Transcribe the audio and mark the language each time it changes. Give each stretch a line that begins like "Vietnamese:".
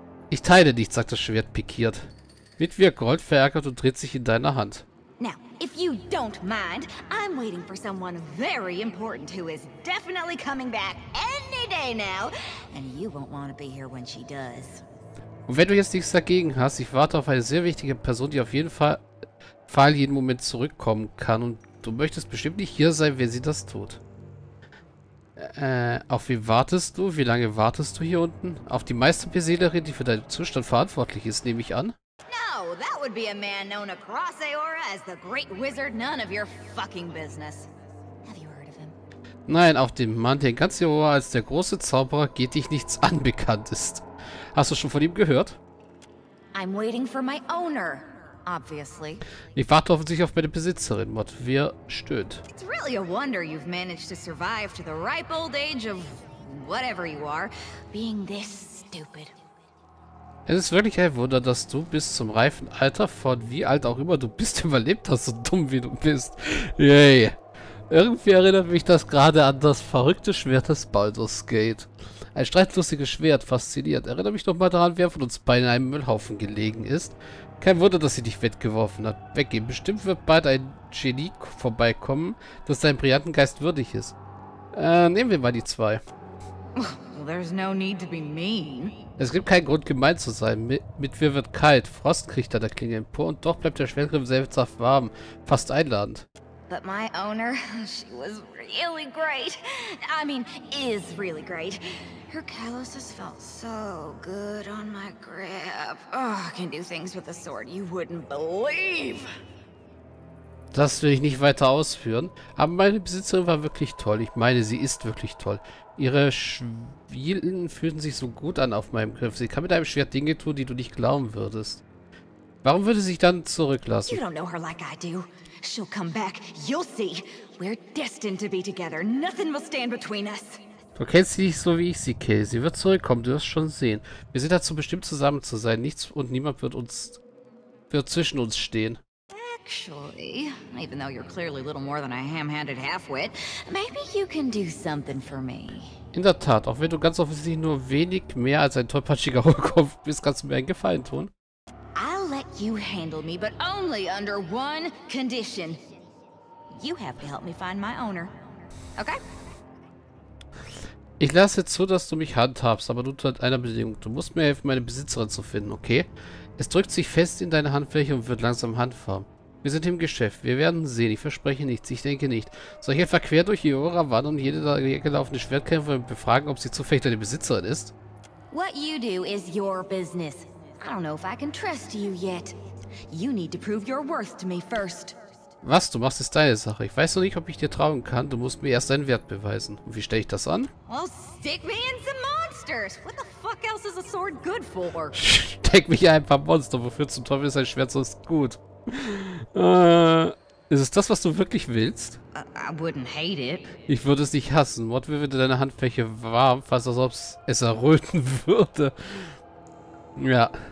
German: Ich teile nicht, sagt das Schwert pikiert. Wird wie Gold verärgert und dreht sich in deiner Hand.
English: Now, if you don't mind, I'm waiting for someone very important who is definitely coming back any day now, and you won't want to be here when she does.
German: Und wenn du jetzt nichts dagegen hast, ich warte auf eine sehr wichtige Person, die auf jeden Fall jeden Moment zurückkommen kann, und du möchtest bestimmt nicht hier sein, wenn sie das tut. Auf wen wartest du? Wie lange wartest du hier unten? Auf die Meisterbeseelerin, die für deinen Zustand verantwortlich ist, nehme ich an?
English: No, that would be a man known across Aora as the great wizard, none of your fucking business. Have you heard of him?
German: Nein, auf den Mann, der in ganz Aora als der große Zauberer geht dich nichts an bekannt ist. Hast du schon von ihm gehört?
English: I'm waiting for my owner. Obviously.
German: Ich warte offensichtlich auf meine Besitzerin, Mottvir stöhnt.
English: It's really a wonder you've managed to survive to the ripe old age of whatever you are, being this stupid.
German: Es ist wirklich ein Wunder, dass du bis zum reifen Alter von wie alt auch immer du bist überlebt hast, so dumm wie du bist. Yay. Irgendwie erinnert mich das gerade an das verrückte Schwert des Baldur's Gate. Ein streitlustiges Schwert, fasziniert. Erinnere mich nochmal daran, wer von uns beiden in einem Müllhaufen gelegen ist. Kein Wunder, dass sie dich weggeworfen hat. Weggehen. Bestimmt wird bald ein Genie vorbeikommen, das deinem brillanten Geist würdig ist. Nehmen wir mal die zwei.
English: Well, there's no need to be mean.
German: Es gibt keinen Grund, gemein zu sein. Mit mir wird kalt. Frost kriecht an der Klinge empor und doch bleibt der Schwertgriff selbstsaft warm. Fast einladend.
English: But my owner, she was really great. I mean, is really great. Her calluses felt so good on my grip. Oh, I can do things with a sword you wouldn't believe.
German: Das will ich nicht weiter ausführen. Aber meine Besitzerin war wirklich toll. Ich meine, sie ist wirklich toll. Ihre Schwielen fühlen sich so gut an auf meinem Griff. Sie kann mit einem Schwert Dinge tun, die du nicht glauben würdest. Warum würde sie sich dann zurücklassen?
English: You don't know her like I do. She'll come back. You'll see. We're destined to be together. Nothing will stand between us.
German: Du kennst sie nicht so, wie ich sie kenne. Sie wird zurückkommen, du wirst schon sehen. Wir sind dazu bestimmt, zusammen zu sein. Nichts und niemand wird zwischen uns stehen.
English: Actually, even though you're clearly little more than a ham-handed halfwit, maybe you can do something for me.
German: In der Tat, auch wenn du ganz offensichtlich nur wenig mehr als ein tollpatschiger Hohlkopf bist, kannst du mir einen Gefallen tun.
English: I'll let you handle me, but only under one condition. You have to help me find my owner. Okay?
German: Ich lasse zu, dass du mich handhabst, aber nur unter einer Bedingung. Du musst mir helfen, meine Besitzerin zu finden, okay? Es drückt sich fest in deine Handfläche und wird langsam handfarben. Wir sind im Geschäft. Wir werden sehen. Ich verspreche nichts. Ich denke nicht. Soll ich etwa quer durch Iora wandern und jede da gelaufene Schwertkämpfer befragen, ob sie zufällig deine Besitzerin ist?
English: What you do is your business. I don't know if I can trust you yet. You need to prove your worth to me first.
German: Was du machst, ist deine Sache. Ich weiß noch nicht, ob ich dir trauen kann. Du musst mir erst deinen Wert beweisen. Und wie stelle ich das an?
English: Well, stick me in some monsters. What the fuck else is a sword good for?
German: Steck mich in ein paar Monster. Wofür zum Teufel ist ein Schwert sonst gut? Ist es das, was du wirklich willst?
English: I wouldn't hate it.
German: Ich würde es nicht hassen. Mordwill würde deine Handfläche warm, fast als ob es erröten würde. Ja.